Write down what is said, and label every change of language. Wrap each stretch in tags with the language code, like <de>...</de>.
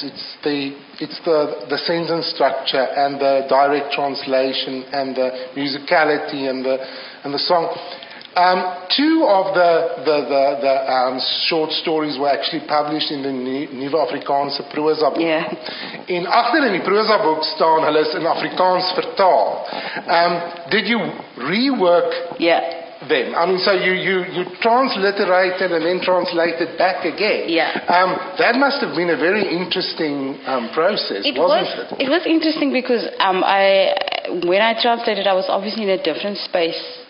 <en>It's the sentence structure and the direct translation and the musicality and the song. Two of the short stories were actually published in the Nuwe Afrikaanse Proza Boek. Yeah.</en> <af>In agter in die Proza Boek staan hulle is in Afrikaans vertaal.</af> <en>Did you rework? Yeah. Then, I mean, so you transliterated and then translated back again. Yeah. That must have been a very interesting process, wasn't it? It was interesting because when I translated, I was obviously in a different space.</en>